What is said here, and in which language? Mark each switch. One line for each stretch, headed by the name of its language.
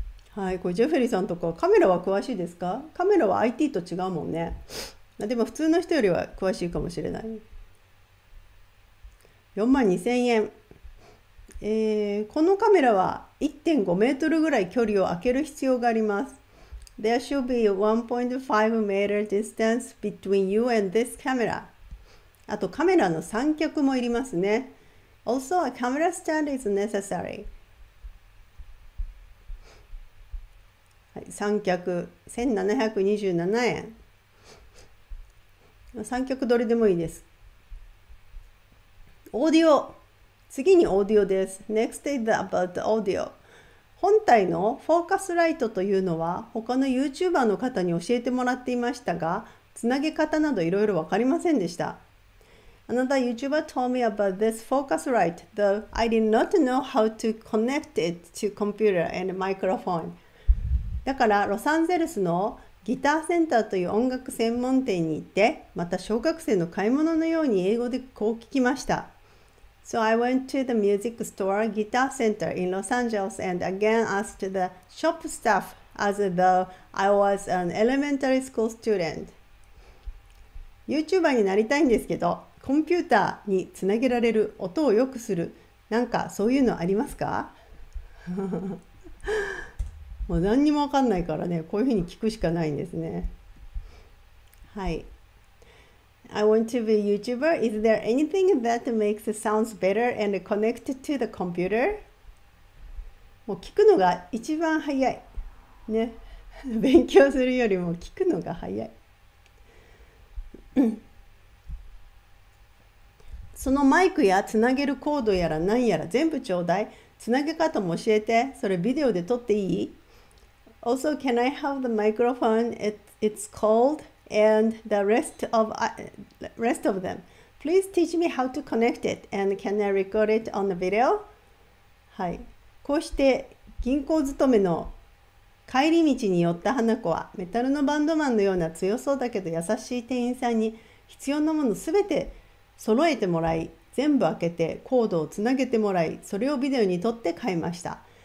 Japanese: はい、これジェフリーさんとかカメラは詳しいですか？カメラは IT と違うもんね。でも普通の人よりは詳しいかもしれない。 42,000円。このカメラは 1.5 メートルぐらい距離を空ける必要があります。
English: There should be a 1.5 meter distance between you and this camera.
Japanese: あとカメラの三脚もいりますね。
English: Also, a camera stand is necessary.、
Japanese: はい、三脚、1,727円。三脚どれでもいいです。オーディオ。次にオーディオです。
English: Next is about the audio.
Japanese: 本体のフォーカスライトというのは他の YouTuber の方に教えてもらっていましたが、つなげ方などいろいろわかりませんでした。
English: Another YouTuber told me about this focus light, though I did not know how to connect it to computer and microphone.
Japanese: だからロサンゼルスのギターセンターという音楽専門店に行って、また小学生の買い物のように英語でこう聞きました。
English: So I went to the music store guitar center in Los Angeles and again asked the shop staff as though I was an elementary school student.
Japanese: YouTuber になりたいんですけど、コンピューターにつなげられる音を良くする、なんかそういうのありますか？もう何にもわかんないからね、こういうふうに聞くしかないんですね。
English: はい。I want to be a YouTuber. Is there anything that makes the sounds better and connected to the computer?
Japanese: もう聞くのが一番早い。ね。勉強するよりも聞くのが早い。そのマイクやつなげるコードやら何やら全部ちょうだい。つなげ方も教えて。それビデオで撮っていい？
English: Also, can I have the microphone? It's called? And the rest of them. Please teach me how to connect it and can I record it on the video?
Japanese: はい。こうして銀行勤めの帰り道に寄った花子は、メタルのバンドマンのような強そうだけど優しい店員さんに必要なものすべて揃えてもらい、全部開けてコードをつなげてもらい、それをビデオに撮って買いました。